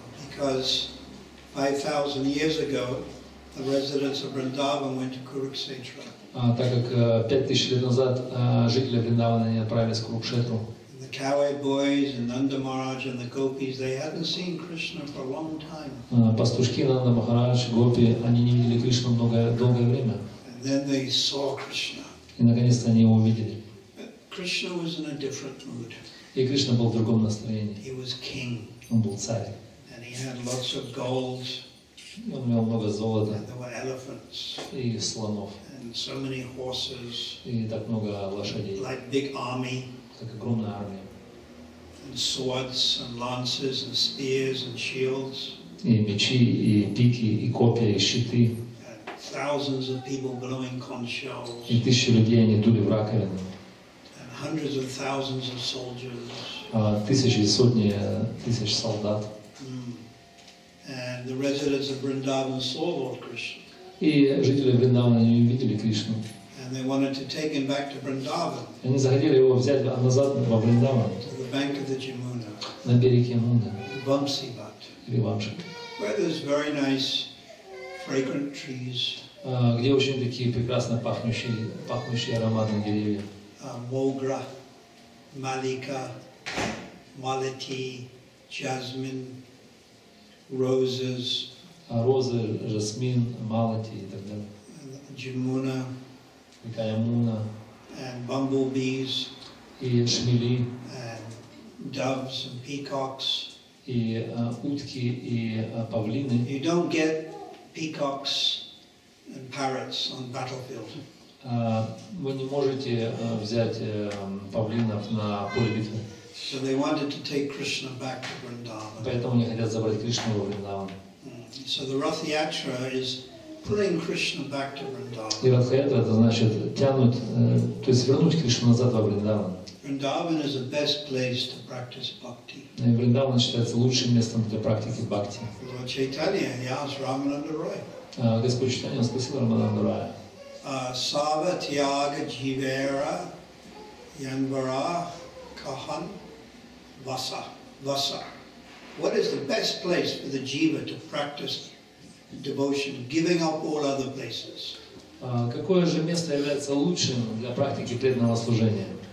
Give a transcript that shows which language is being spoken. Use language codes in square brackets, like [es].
[en] Because 5,000 years ago, the residents of Vrindavan went to Kurukshetra. [ru] Так как 5000 лет назад жители Вриндавана не отправились к Курукшетру. [en] The cowherd boys and Nanda Maharaj and the gopis, they hadn't seen Krishna for a long time. [ru] Пастушки Нанда Махарадж, гопи, они не видели Кришну долгое время. [en] And then they saw Krishna. [ru] И наконец-то они его увидели. [en] Krishna was in a different mood. [ru] И Кришна был в другом настроении. [en] He was king. [ru] Он был царь. [en] And he had lots of gold. [ru] Он имел много золота. [en] And there were elephants. [ru] И слонов. [en] And so many horses. [ru] И так много лошадей. [en] Like big army. [ru] Как огромная армия. [en] And swords and lances and spears and shields. [ru] И мечи, и пики, и копья, и щиты. [en] Thousands of people blowing conch shells. [ru] И тысячи людей они дули в раковины. [en] And hundreds of thousands of soldiers. [ru] Тысячи, сотни тысяч солдат. [en] And the residents of Vrindavan saw Lord Krishna. [ru] И жители Вриндавана не увидели Кришну. [en] And they wanted to take him back to Vrindavan. [ru] Они захотели его взять назад во Вриндаван. [en] To the bank of the Jamuna. [ru] На берег Ямуны. [en] Vamsi Bhat. [ru] Или Вамши. [en] Where there's very nice fragrant trees. [ru] Где очень такие прекрасно пахнущие ароматные деревья. [en] Могра, малика, малити, жасмин, roses. [ru] Розы, жасмин, малити и так далее. [en] Джимуна. [ru] Река Ямуна. [en] And bumblebees. [ru] И шмели. [en] And doves and peacocks. [ru] И утки и павлины. [en] You don't get peacocks and parrots on battlefield. [ru] Вы не можете взять павлинов на поле битвы. [en] So they wanted to take Krishna back to Vrindavan. [ru] Поэтому они хотят забрать Кришну во Вриндаван. [en] So the Ratha Yatra is pulling Krishna back to Vrindavan. [ru] И Ратха Ятра это значит тянуть, то есть вернуть Кришну назад во Вриндаван. [en] Vrindavan is the best place to practice bhakti. [ru] И Вриндаван считается лучшим местом для практики бхакти. [en] Lord Chaitanya, he asked Рамананда Роя. [ru] Господь Чайтанья спросил Рамананда Роя. Сава тьяга дживера январа кахан васа. Васа. [en] What is the best place for the jiva to practice devotion, giving up all other places? [ru] Какое же место является лучшим для практики преданного служения?